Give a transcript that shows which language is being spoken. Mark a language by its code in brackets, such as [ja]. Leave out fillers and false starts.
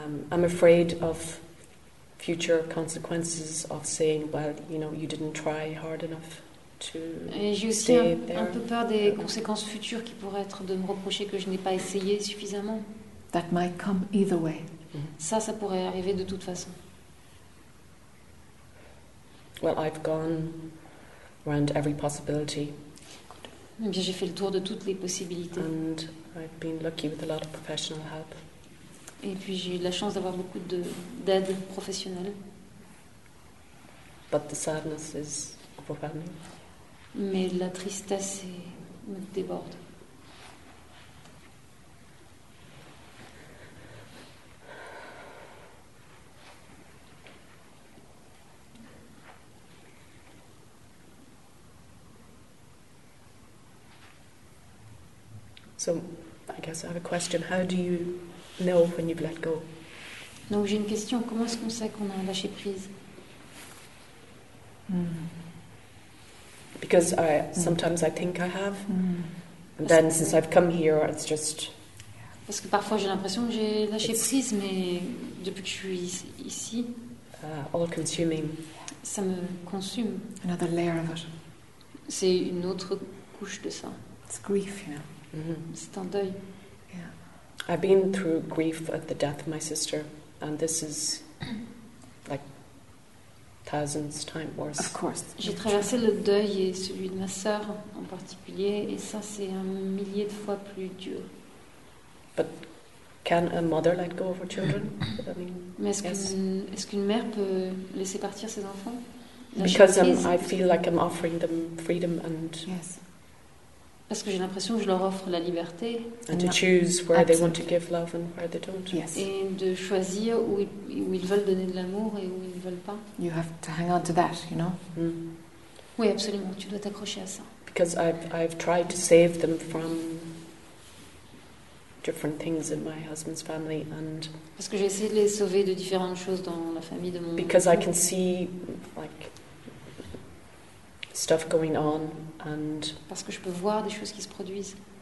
[en] I'm afraid of future consequences of saying, "Well, you know, you didn't try hard enough to stay there." [fr] J'ai aussi un peu peur des conséquences futures qui pourraient être de me reprocher que je n'ai pas essayé suffisamment. [en] That might come either way. Mm-hmm. [fr] Ça pourrait arriver de toute façon. [en] Well, I've gone around every possibility. [fr] Eh bien, j'ai fait le tour de toutes les possibilités. [en] And I've been lucky with a lot of professional help. [fr] Et puis j'ai eu la chance d'avoir beaucoup d'aide professionnelle. [en] But the sadness is overwhelming. [fr] Mais la tristesse me déborde. [en] So, I guess I have a question. How do you know when you've let go? [fr] Donc j'ai une question. Comment est-ce qu'on sait qu'on a lâché prise? [en] Because I sometimes I think I have, and then since I've come here, it's just. [fr] Parce que parfois j'ai l'impression que j'ai lâché prise, mais depuis que je suis ici. [en] All-consuming. [fr] Ça me consume. [en] Another layer of it. [fr] C'est une autre couche de ça. [en] It's grief, you know. [fr] Mm-hmm. C'est un deuil. [en] Yeah. I've been through grief at the death of my sister, and this is like thousands times worse. Of course. [fr] J'ai traversé le deuil et celui de ma sœur en particulier, et ça c'est un millier de fois plus dur. [en] But can a mother let go of her children? I mean, [fr] mais est-ce qu'une mère peut laisser partir ses enfants? [en] I feel like I'm offering them freedom and. Yes. [fr] Parce que j'ai l'impression que je leur offre la liberté. [en] And to choose where they want to give love and where they don't. Yes. [fr] Et de choisir où ils veulent donner de l'amour et où ils ne veulent pas. [en] You have to hang on to that, you know. [fr] Mm. Oui, absolument. Tu dois t'accrocher à ça. [en] Because I've tried to save them from different things in my husband's family and. [fr] Parce que j'ai essayé de les sauver de différentes choses dans la famille de mon. [en] Because I can see like. Stuff going on and [fr] parce que je peux voir des choses qui se produisent.